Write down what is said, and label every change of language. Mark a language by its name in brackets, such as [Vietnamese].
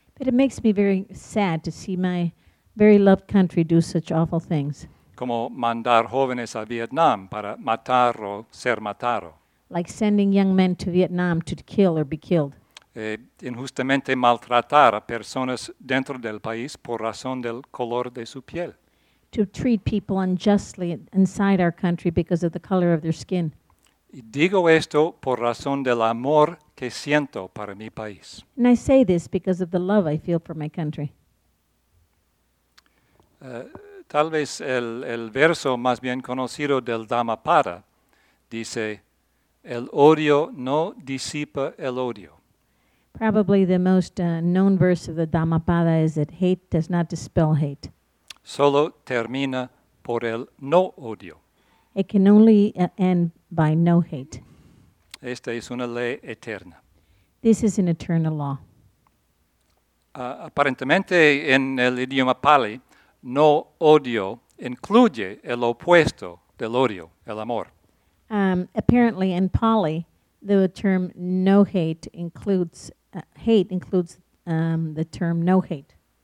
[English] But it makes me very sad to see my very loved country do such awful things. [Spanish] Como mandar jóvenes a Vietnam para matar o ser matado. [English] Like sending young men to Vietnam to kill or be killed. [Spanish] Injustamente maltratar a personas dentro del país por razón del color de su piel. [English] To treat people unjustly inside our country because of the color of their skin. [Spanish] Y digo esto por razón del amor que siento para mi país. [English] And I say this because of the love I feel for my country. [Spanish] Tal vez el verso más bien conocido del Dhammapada dice, el odio no disipa el odio. [English] Probably the most known verse of the Dhammapada is that hate does not dispel hate. [Spanish] Solo termina por el no odio. [English] It can only end by no hate. [Spanish] Esta es una ley eterna. [English] This is an eternal law. [Spanish] Aparentemente, en el idioma Pali, no odio incluye el opuesto del odio, el amor. [English] Apparently in Pali, the term no hate includes hate includes the term no hate.